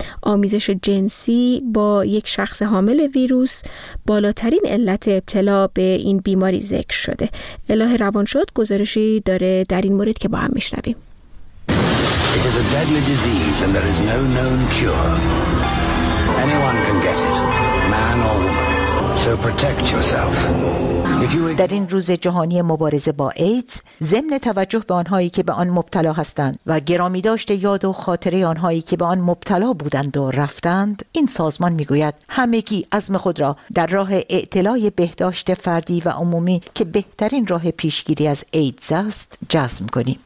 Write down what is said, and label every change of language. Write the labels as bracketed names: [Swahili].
[Persian] آمیزش جنسی با یک شخص حامل ویروس بالاترین علت ابتلا به این بیماری ذکر شده. الهه روانشاد گزارشی داره در این مورد که با هم میشنویم. [English] It is a deadly disease and there is no known cure. Anyone can get it, man or woman. So protect yourself. [Persian] در این روز جهانی مبارزه با ایدز، ضمن توجه به آنهایی که به آن مبتلا هستند و گرامی داشت یاد و خاطره آنهایی که به آن مبتلا بودند و رفتند، این سازمان میگوید همگی عزم خود را در راه اعتلای بهداشت فردی و عمومی که بهترین راه پیشگیری از ایدز است جزم کنیم.